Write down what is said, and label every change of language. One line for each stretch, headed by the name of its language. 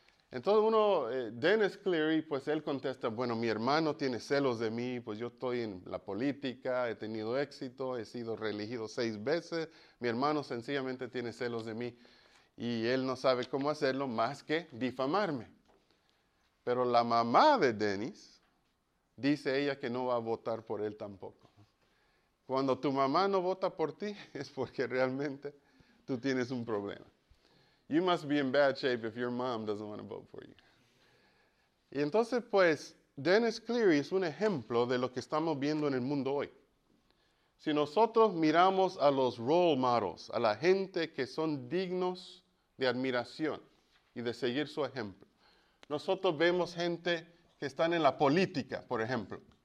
Spanish: Entonces uno, Dennis Cleary, pues él contesta, bueno, mi hermano tiene celos de mí, pues yo estoy en la política, he tenido éxito, he sido reelegido 6 veces, mi hermano sencillamente tiene celos de mí y él no sabe cómo hacerlo más que difamarme. Pero la mamá de Dennis dice ella que no va a votar por él tampoco. Cuando tu mamá no vota por ti es porque realmente tú tienes un problema.
English: You must be in bad shape if your mom doesn't want to vote for you.
Spanish: Y entonces, pues, Dennis Cleary es un ejemplo de lo que estamos viendo en el mundo hoy. Si nosotros miramos a los
English: role models,
Spanish: a la gente que son dignos de admiración y de seguir su ejemplo, nosotros vemos gente que están en la política, por ejemplo.